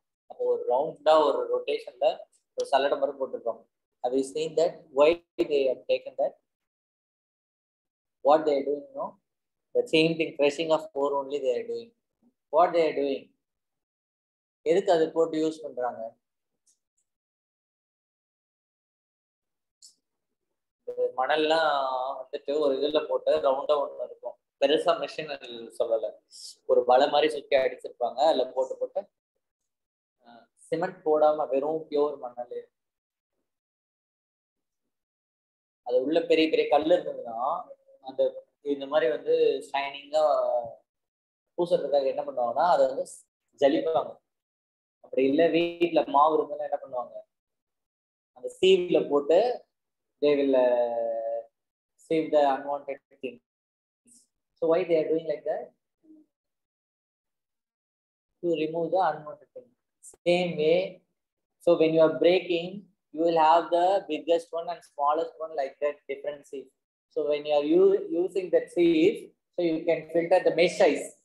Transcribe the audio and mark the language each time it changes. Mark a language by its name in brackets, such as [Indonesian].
[Tamil] அப்போ ஒரு ரவுண்டா ஒரு ரொட்டேஷன்ல ஒரு சலடம் மாதிரி போட்டிருக்காங்க. [English] Have you seen that? Why they have taken that? What they are doing, no? The same thing, crushing of ore only they are doing. What they are doing? [Tamil] எதுக்கு அது போட்டு யூஸ் பண்றாங்க? மணல்லாம் வந்துட்டு ஒரு இதுல போட்டு ரவுண்டா ஒண்ணு இருக்கும், பெருசா மிஷின் சொல்லல, ஒரு பல மாதிரி சுத்தி அடிச்சிருப்பாங்க. அதுல போட்டு போட்டு சிமெண்ட் போடாம வெறும் பியூர் மணல், அது உள்ள பெரிய பெரிய கல்லு இருந்ததுதான். அந்த இந்த மாதிரி வந்து ஷைனிங்கா பூசறதுக்காக என்ன பண்ணுவாங்கன்னா அதை வந்து ஜலிப்பாங்க. அப்படி இல்லை வீட்டுல மாவு இருந்தாலும் என்ன பண்ணுவாங்க, அந்த சீவ்ல போட்டு [English] they will save the unwanted thing. So why they are doing like that? To remove the unwanted thing. Same way, so when you are breaking, you will have the biggest one and smallest one like that, different sieve. So when you are using that sieve, so you can filter the mesh size.